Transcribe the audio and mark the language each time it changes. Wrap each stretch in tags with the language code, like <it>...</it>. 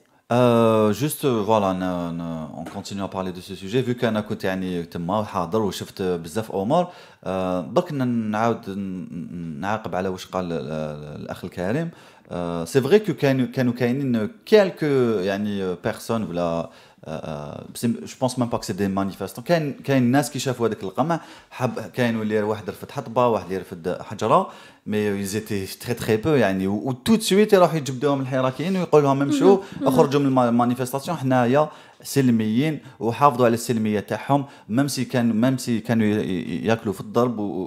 <fr>Juste voilà, on continue à parler de ce sujet vu qu'on a écouté</fr> <ar>يعني تما حاضر وشفت بزاف عمر برك نعاود نعاقب على واش قال الاخ الكريم. C'est vrai que كانوا كاينين quelques يعني personnes ولا je pense même pas que c'est des manifestants. كاين ناس كي شافوا هذاك القمع حب كاين اللي واحد رفد حطبه واحد اللي رفد حجره</ar> <fr>mais ils étaient très très peu</fr> <ar>يعني و</ar> <fr>tout de suite</fr> <ar>راح يجبدوهم الحراكيين ويقول لهم امشوا اخرجوا من المانيفيستاسيون حنايا سلميين وحافظوا على السلميه تاعهم ميم سي كانوا ياكلوا في الضرب.</ar>